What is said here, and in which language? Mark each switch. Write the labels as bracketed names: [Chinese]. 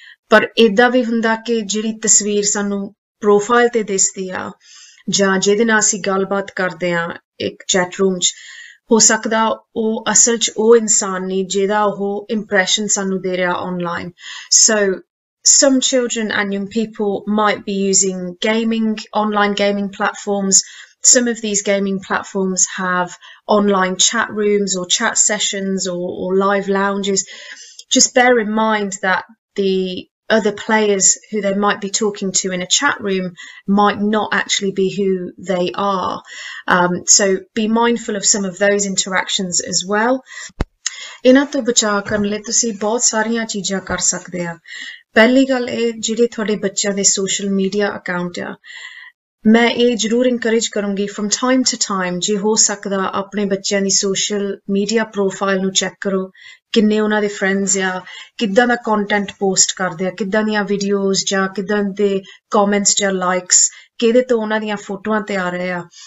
[Punjabi] ਪਰ ਇੱਦਾਂ ਵੀ ਹੁੰਦਾ ਕਿ ਜਿਹੜੀ ਤਸਵੀਰ ਸਾਨੂੰ ਪ੍ਰੋਫਾਈਲ 'ਤੇ ਦਿਸਦੀ ਆ ਜਾਂ ਜਿਹਦੇ ਨਾਲ ਅਸੀਂ ਗੱਲਬਾਤ ਕਰਦੇ ਹਾਂ ਇੱਕ ਚੈਟ ਰੂਮ 'ਚ, ਹੋ ਸਕਦਾ ਉਹ ਅਸਲ 'ਚ ਉਹ ਇਨਸਾਨ ਨਹੀਂ ਜਿਹਦਾ ਉਹ ਇੰਪ੍ਰੈਸ਼ਨ ਸਾਨੂੰ ਦੇ ਰਿਹਾ online. [English] So some children and young people might be using gaming, online gaming platforms. Some of these gaming platforms have online chat rooms or chat sessions or live lounges. Just bear in mind that the other players who they might be talking to in a chat room might not actually be who they are. So be mindful of some of those interactions as well. [Punjabi] ਇਹਨਾਂ ਤੋਂ ਬਚਾਅ ਕਰਨ ਲਈ ਤੁਸੀਂ ਬਹੁਤ ਸਾਰੀਆਂ ਚੀਜ਼ਾਂ ਕਰ ਸਕਦੇ ਆ। ਪਹਿਲੀ ਗੱਲ ਇਹ, ਜਿਹੜੇ ਤੁਹਾਡੇ ਬੱਚਿਆਂ ਦੇ ਸੋਸ਼ਲ ਮੀਡੀਆ ਅਕਾਊਂਟ ਆ, ਮੈਂ ਇਹ ਜ਼ਰੂਰ ਇਨਕਰੇਜ ਕਰੂੰਗੀ [English] from time to time, [Punjabi] ਜੇ ਹੋ ਸਕਦਾ ਆਪਣੇ ਬੱਚਿਆਂ ਦੀ ਸੋਸ਼ਲ ਮੀਡੀਆ ਪ੍ਰੋਫਾਈਲ ਨੂੰ ਚੈੱਕ ਕਰੋ, ਕਿੰਨੇ ਉਹਨਾਂ ਦੇ ਫਰੈਂਡਸ ਆ, ਕਿੱਦਾਂ ਦਾ ਕੰਟੈਂਟ ਪੋਸਟ ਕਰਦੇ ਆ, ਕਿੱਦਾਂ ਦੀਆਂ ਵੀਡੀਓਜ਼ ਜਾਂ ਕਿੱਦਾਂ ਦੇ ਕਮੈਂਟਸ ਜਾਂ ਲਾਈਕਸ, ਕਿਹਦੇ ਤੋਂ ਉਹਨਾਂ ਦੀਆਂ ਫੋਟੋਆਂ 'ਤੇ ਆ ਰਹੇ ਆ।